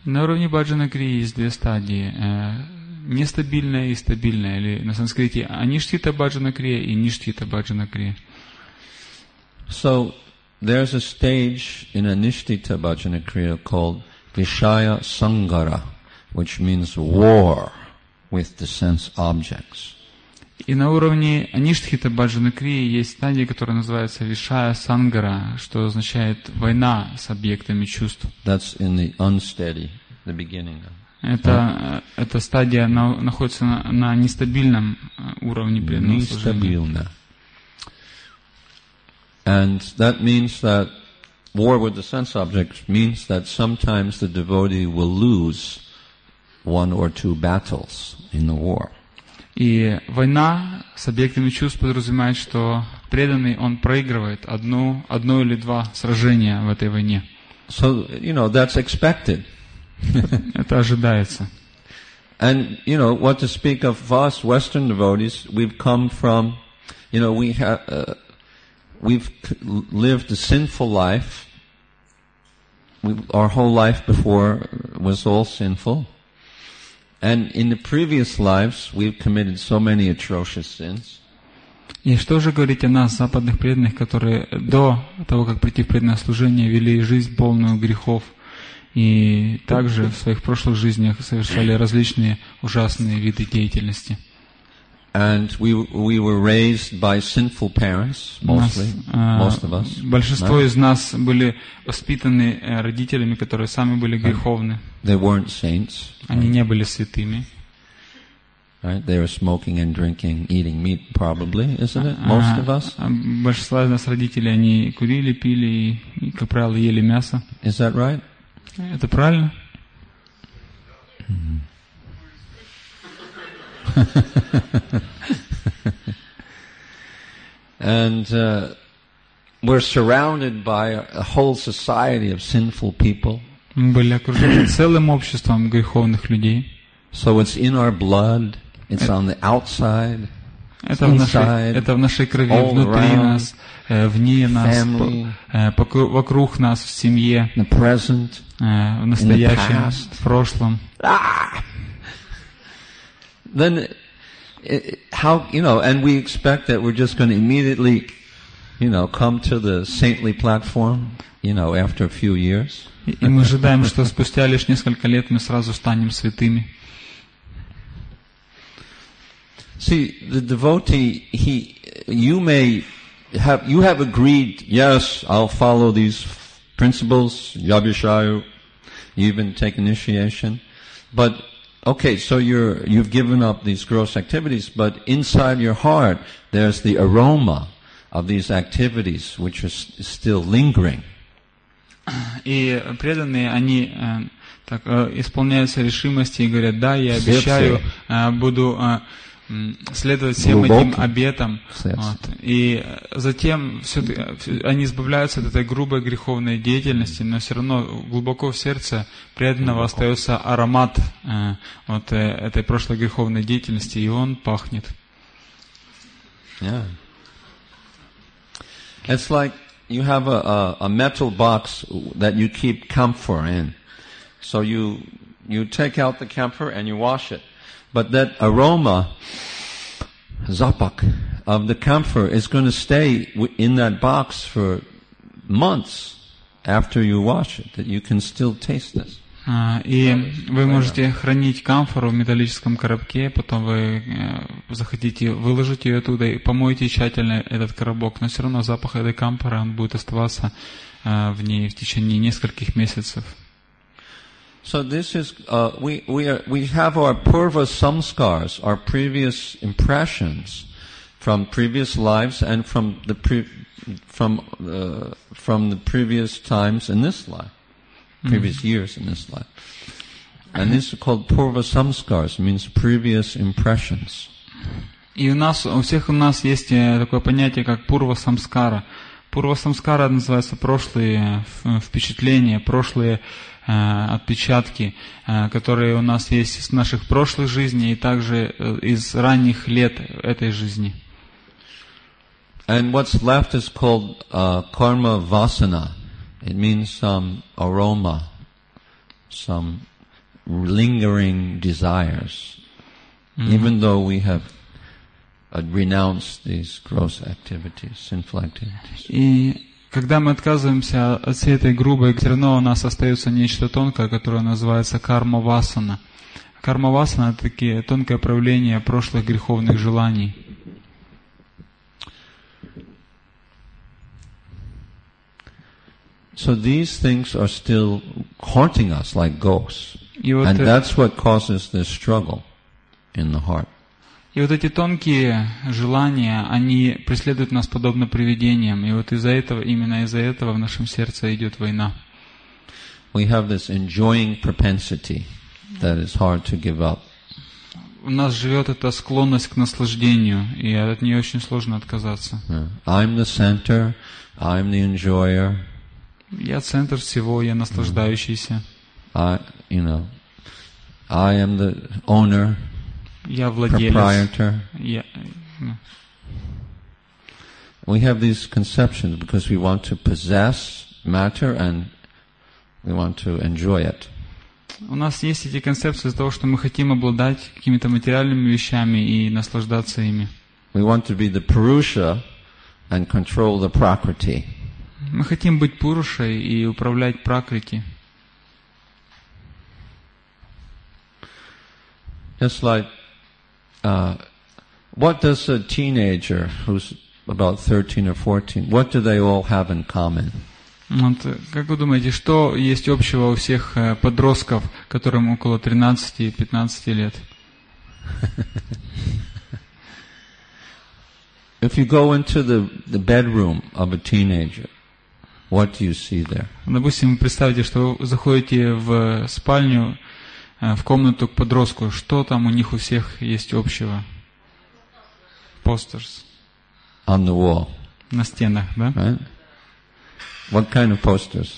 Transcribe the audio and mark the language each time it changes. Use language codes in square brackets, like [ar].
[ru] На уровне Bhajana Kriya есть две стадии, нестабильная и стабильная, или на санскрите anishtita Bhajana Kriya и nishtita Bhajana Kriya. [en] So there's a stage in anishtita Bhajana Kriya called Vishaya Sangara, which means war with the sense objects. [ru] И на уровне Аништхита Бхаджана Крии есть стадия, которая называется Вишая Сангара, что означает война с объектами чувств. [en] That's in the unsteady, the beginning. [ru] Это стадия находится на нестабильном уровне преданного служения. Нестабильно. [en] And that means that war with the sense objects means that sometimes the devotee will lose one or two battles in the war. [ru] И война с объектами чувств подразумевает, что преданный, он проигрывает одно или два сражения в этой войне. [en] So, you know, that's expected. [ru] Это ожидается. [en] And, you know, what to speak of us, Western devotees, we've come from, you know, we've lived a sinful life. Our whole life before was all sinful. And in the previous lives, we've committed so many atrocious sins. [ru] И что же говорить о нас, западных преданных, которые до того, как прийти в преданное служение, вели жизнь полную грехов и также в своих прошлых жизнях совершали различные ужасные виды деятельности. [en] And we were raised by sinful parents, mostly, most of us. [ru] Большинство из нас были воспитаны родителями, которые сами были греховны. [en] They weren't saints. [ru] Они не были святыми. [en] Right? They were smoking and drinking, eating meat, probably, isn't it? Most of us. [ru] Большинство из нас родители, они курили, пили и, как правило, ели мясо. [en] Is that right? [ru] Это правильно? [en] And we're surrounded by a whole society of sinful people. [ru] Мы были окружены целым обществом греховных людей. [en] So it's in our blood. It's on the outside. [ru] Это [en] inside, [ru] в нашей крови, внутри [en] around, [ru] нас, вне нас, [en] family, [ru] вокруг нас, в семье, [en] the present, [ru] в настоящем, [en] in the past, [ru] в прошлом. [en] Then, how, you know, and we expect that we're just going to immediately, you know, come to the saintly platform, you know, after a few years. [ru] И мы ожидаем, что спустя лишь несколько лет мы сразу станем святыми. [en] See, the devotee, you have agreed, yes, I'll follow these principles, yabhishayu, you even take initiation, but okay, so you've given up these gross activities, but inside your heart, there's the aroma of these activities, which is still lingering. [ru] И преданные, они так исполняются решимости и говорят, да, я обещаю, буду следовать всем этим обетам. Вот. И затем они избавляются от этой грубой греховной деятельности, но все равно глубоко в сердце преданного остается аромат вот этой прошлой греховной деятельности, и он пахнет. [en] Yeah. It's like you have a metal box that you keep camphor in. So you take out the camphor and you wash it. But that aroma, zapak, of the camphor is going to stay in that box for months after you wash it, that you can still taste this. [ru] И вы можете хранить камфору в металлическом коробке, потом вы захотите выложить ее оттуда и помоете тщательно этот коробок, но все равно запах этой камфоры, он будет оставаться в ней в течение нескольких месяцев. [en] So this is we have our purva samskars, our previous impressions from previous lives and from the previous times in this life. Previous years in this life. And this is called purva samskars, means previous impressions. [ru] И у всех у нас есть такое понятие, как пурва самскара. Пурва самскара называется прошлые впечатления, прошлые отпечатки, которые у нас есть из наших прошлых жизней и также из ранних лет этой жизни. [en] And what's left is called karma vasana. It means some aroma, some lingering desires, even though we have renounced these gross activities, sinful activities. [ru] И когда мы отказываемся от всей этой грубой, все равно у нас остается нечто тонкое, которое называется карма васана. Карма васана — это такие тонкое проявление прошлых греховных желаний. [en] So these things are still haunting us like ghosts. And that's what causes this struggle in the heart. [ru] И вот эти тонкие желания, они преследуют нас подобно привидениям. И вот из-за этого, именно из-за этого в нашем сердце идет война. [en] We have this enjoying propensity that is hard to give up. [ru] У нас живет эта склонность к наслаждению, и от нее очень сложно отказаться. [en] I'm the center, I'm the enjoyer. [ru] Я центр всего, я наслаждающийся. [en] I am the owner. [ru] Я владелец. [en] Proprietor. [ru] Я. [en] We have these conceptions because we want to possess matter and we want to enjoy it. [ru] У нас есть эти концепции из-за того, что мы хотим обладать какими-то материальными вещами и наслаждаться ими. [en] We want to be the Purusha and control the Prakriti. [ru] Мы хотим быть Пурушей и управлять Пракрити. [en] Just like what does a teenager who's about 13 or 14, what do they all have in common? [ru] Вот, как вы думаете, что есть общего у всех подростков, которым около 13-15 лет? [en] If you go into the bedroom of a teenager, what do you see there? [ru] Допустим, представьте, что вы заходите в спальню в комнату к подростку. Что там у них у всех есть общего? [en] Posters. On the wall. [ru] На стенах, да? [en] Right? What kind of posters?